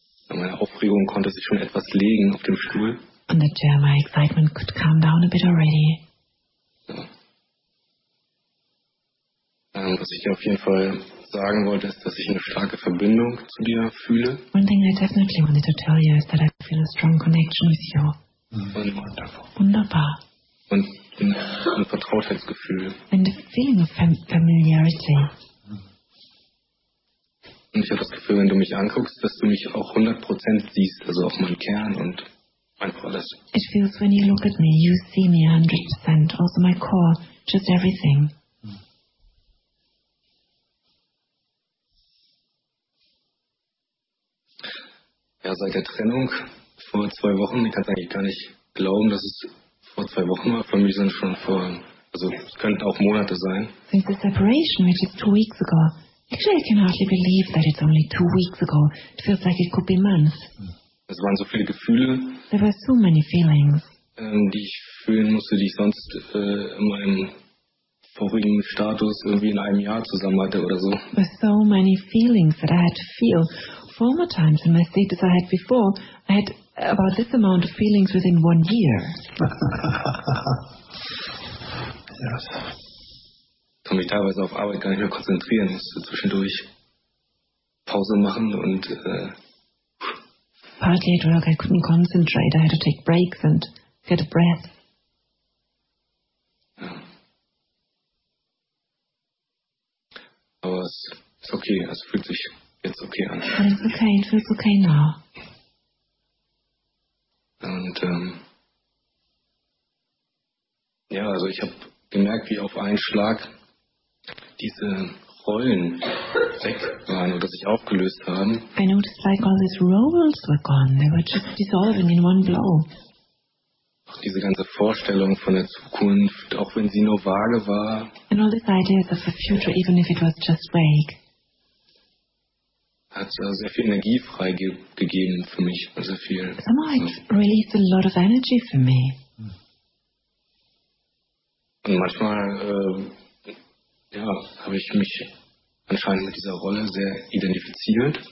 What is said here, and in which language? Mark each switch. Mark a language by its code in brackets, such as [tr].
[de] An meiner Aufregung konnte sich schon etwas legen auf dem Stuhl. [en] And the German excitement could calm down a bit already. [de] Ja. Was ich dir auf jeden Fall sagen wollte, ist, dass ich eine starke Verbindung zu dir fühle. [en] One thing I definitely wanted to tell you is that I feel a strong connection with you. [de] Wunderbar. Und ein Vertrautheitsgefühl. [en] And a feeling of familiarity. [de] Und ich habe das Gefühl, wenn du mich anguckst, dass du mich auch 100% siehst, also auch meinen Kern und [en] it feels when you look at me, you see me 100%, also my core, just everything. [de] Ja, seit der Trennung vor 2 Wochen, ich kann es eigentlich gar nicht glauben, dass es vor 2 Wochen war. Für mich sind schon vor, also es könnten auch Monate sein. [en] Since the separation, which is 2 weeks ago. Actually, I can hardly believe that it's only 2 weeks ago. It feels like it could be months. [de] Es waren so viele Gefühle, [en] there were so many feelings, [de] die ich fühlen musste, die ich sonst in meinem vorigen Status irgendwie in einem Jahr zusammen hatte oder so. [en] There were so many feelings that I had to feel. Former times in my status I had before, I had about this amount of feelings within 1 year. Yes. [de] Ich kann mich teilweise auf Arbeit gar nicht mehr konzentrieren, musste zwischendurch Pause machen und [en] partly at work, I couldn't concentrate. I had to take breaks and get a breath. [de] Ja. Aber es ist okay. Es fühlt sich jetzt okay an. [en] But it's okay. It feels okay now. [de] Und ja, also ich habe gemerkt, wie auf einen Schlag diese Rollen weg waren oder sich aufgelöst haben. [en] I noticed like all these roles were gone. They were just dissolving in one blow. [de] Auch diese ganze Vorstellung von der Zukunft, auch wenn sie nur vage war. [en] And all these ideas of the future, even if it was just vague. [de] Hat so sehr viel Energie freigegeben für mich, also viel. [en] Somehow it released a lot of energy for me. [de] Und manchmal, ja, habe ich mich anscheinend mit dieser Rolle sehr identifiziert.